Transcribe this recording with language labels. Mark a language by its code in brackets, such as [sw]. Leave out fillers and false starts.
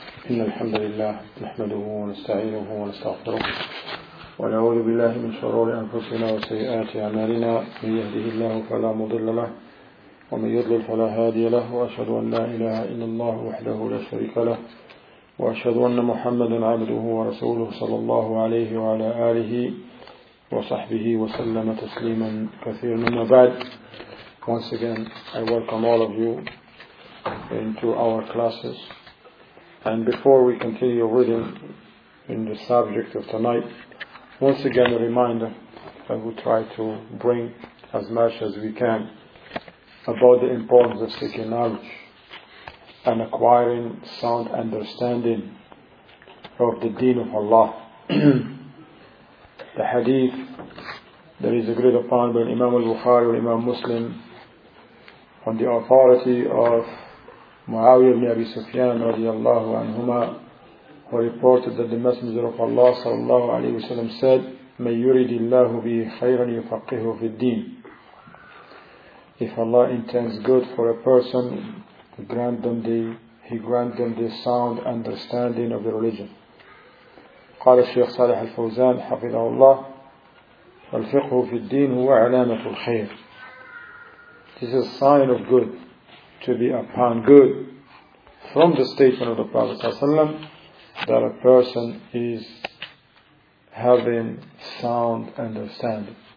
[ar] إن الحمد لله نحمده ونستعينه ونستغفره ونعوذ بالله من شرور أنفسنا وسيئات أعمالنا، من يهده الله فلا مضل له ومن يضلل فلا هادي له، وأشهد أن لا إله إلا الله وحده لا شريك له، وأشهد أن محمدا عبده ورسوله صلى الله عليه وعلى آله وصحبه وسلم تسليما كثيرا. مما بعد، [en] once again I welcome all of you into our classes. And before we continue reading in the subject of tonight, once again a reminder that we try to bring as much as we can about the importance of seeking knowledge and acquiring sound understanding of the deen of Allah. The hadith that is agreed upon by Imam al-Bukhari and Imam Muslim on the authority of Muawiyah ibn Abi Sufyan radiallahu anhuma, who reported that the Messenger of Allah sallallahu alayhi wa sallam said, [ar] "May yuridillahu bi khayran yufaqihu fi ddeen." [en] If Allah intends good for a person, He grant them the sound understanding of the religion. [ar] قال الشيخ صالح الفوزان حفظه الله الفقه في الدين هو علامة الخير. [en] This is a sign of good, to be upon good, from the statement of the Prophet ﷺ, that a person is having sound understanding.